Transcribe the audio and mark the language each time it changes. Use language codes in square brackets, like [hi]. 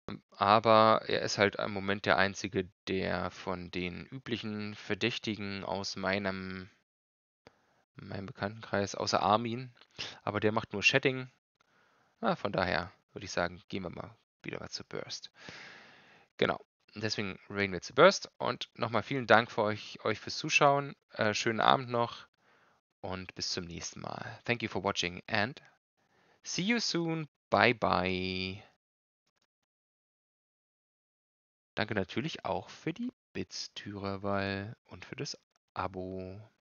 [de] Aber er ist halt im Moment der Einzige, der von den üblichen Verdächtigen aus meinem Bekanntenkreis, außer Armin, aber der macht nur Chatting. Ah, von daher würde ich sagen, gehen wir mal wieder mal zu Burst. Genau, deswegen reden wir zu Burst. Und nochmal vielen Dank für euch fürs Zuschauen. Schönen Abend noch und bis zum nächsten Mal. [en] Thank you for watching and see you soon. Bye bye. [de] Danke natürlich auch für die Bits-Türerwahl und für das Abo.